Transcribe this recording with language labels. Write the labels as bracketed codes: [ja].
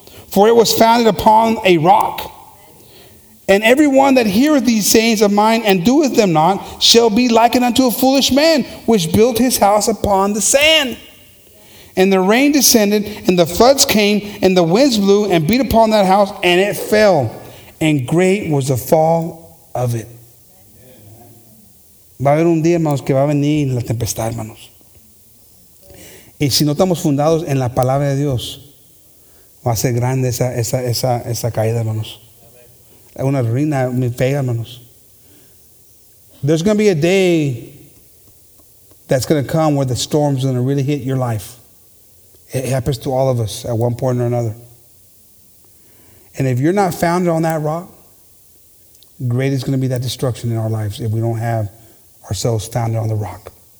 [en] For it was founded upon a rock. And every one that heareth these sayings of mine and doeth them not shall be likened unto a foolish man which built his house upon the sand. And the rain descended, and the floods came, and the winds blew and beat upon that house, and it fell. And great was the fall of it. [es] Va a haber un día, hermanos, que va a venir la tempestad, hermanos. Y si no estamos fundados en la palabra de Dios, va a ser grande esa caída, hermanos. Una ruina, mi fe, hermanos. [en] There's going to be a day that's going to come where the storm's going to really hit your life. It happens to all of us at one point or another. And if you're not founded on that rock, great is going to be that destruction in our lives if we don't have ourselves founded on the rock.